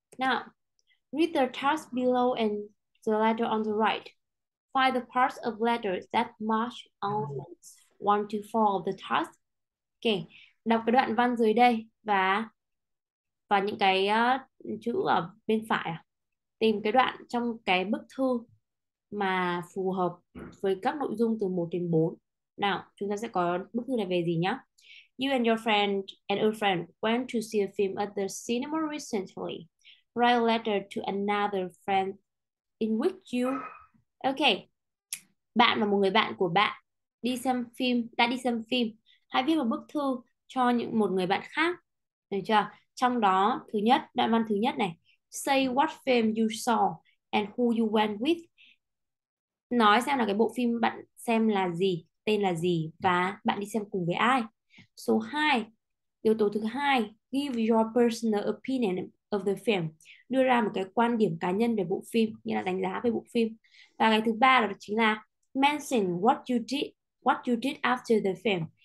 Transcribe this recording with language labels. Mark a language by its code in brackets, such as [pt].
[en] Now, read the task below and the letter on the right. Find the parts of letters that match elements 1 to 4 of the task. [vi] Ok, đọc cái đoạn văn dưới đây và những cái chữ ở bên phải. Tìm cái đoạn trong cái bức thư mà phù hợp với các nội dung từ 1 đến 4. Nào, chúng ta sẽ có bức thư này về gì nhá. [en] You and your friend and a friend went to see a film at the cinema recently. Write a letter to another friend in which you... Ok. [vi] Bạn và một người bạn của bạn đi xem phim, đã đi xem phim. Hãy viết một bức thư cho những một người bạn khác. Được chưa? Trong đó, thứ nhất, đoạn văn thứ nhất này. [en] Say what film you saw and who you went with. [vi] Nói xem là cái bộ phim bạn xem là gì, tên là gì và bạn đi xem cùng với ai. Số 2, yếu tố thứ 2, [en] give your personal opinion of the film. [vi] Đưa ra một cái quan điểm cá nhân về bộ phim, nghĩa là đánh giá về bộ phim. Và cái thứ 3 là chính là [en] mention what you did after the film.